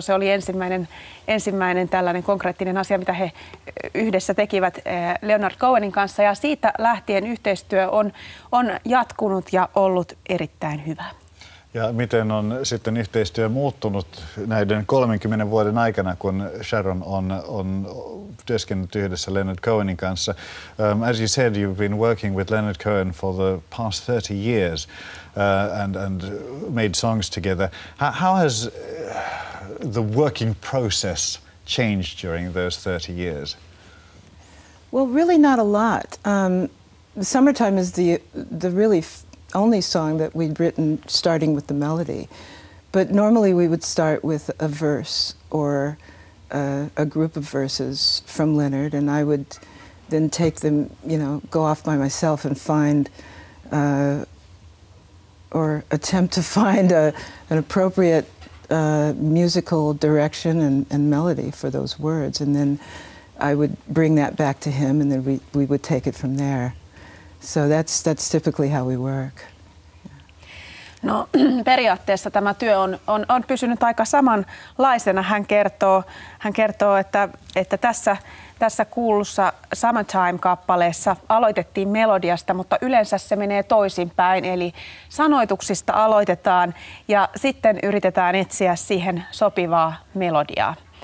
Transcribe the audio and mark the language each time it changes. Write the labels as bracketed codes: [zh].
[fi] Se oli ensimmäinen tällainen konkreettinen asia, mitä he yhdessä tekivät Leonard Cohenin kanssa, ja siitä lähtien yhteistyö on jatkunut ja ollut erittäin hyvä. Ja miten on sitten yhteistyö muuttunut näiden 30 vuoden aikana, kun Sharon on työskennellyt yhdessä Leonard Cohenin kanssa? [en] As you said, you've been working with Leonard Cohen for the past 30 years and made songs together. How has the working process changed during those 30 years? Well, really not a lot. Summertime is the really only song that we'd written starting with the melody. But normally we would start with a verse or a group of verses from Leonard, and I would then take them, you know, go off by myself and find or attempt to find an appropriate musical direction and melody for those words. And then I would bring that back to him, and then we would take it from there. So that's typically how we work. [fi] No, periaatteessa tämä työ on pysynyt aika samanlaisena. Hän kertoo että tässä kuulussa Summertime-kappaleessa aloitettiin melodiasta, mutta yleensä se menee toisinpäin. Eli sanoituksista aloitetaan ja sitten yritetään etsiä siihen sopivaa melodiaa.